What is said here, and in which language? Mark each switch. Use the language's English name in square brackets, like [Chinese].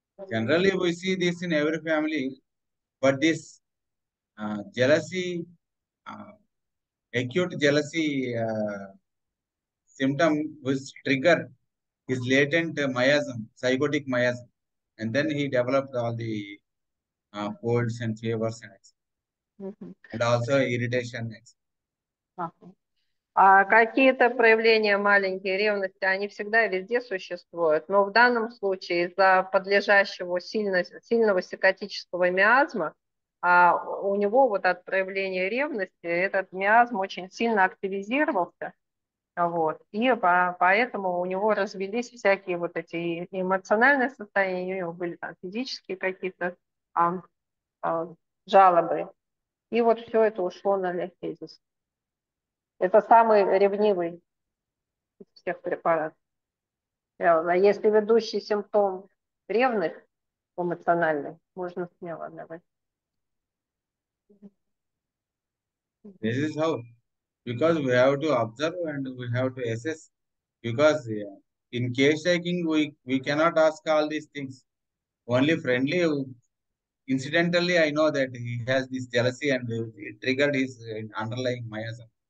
[English] Generally, we see this in every family, but this jealousy, acute jealousy symptom was triggered his latent miasm, psychotic miasm. And then he developed all the colds and fevers and etc. And also irritation etc. [Russian] А какие-то проявления маленькие ревности, они всегда везде существуют, но в данном случае из-за подлежащего сильного секотического миазма, у него вот от проявления ревности этот миазм очень сильно активизировался. Вот. И поэтому у него развились всякие вот эти эмоциональные состояния, у него были там физические какие-то жалобы. И вот все это ушло на лихезис. Это самый ревнивый из всех препаратов. Если ведущий симптом ревных эмоциональный, можно смело давать. [English] This is how, because we have to observe and we have to assess, because in case taking, we cannot ask all these things. Only friendly, incidentally, I know that he has this jealousy and it triggered his underlying miasm.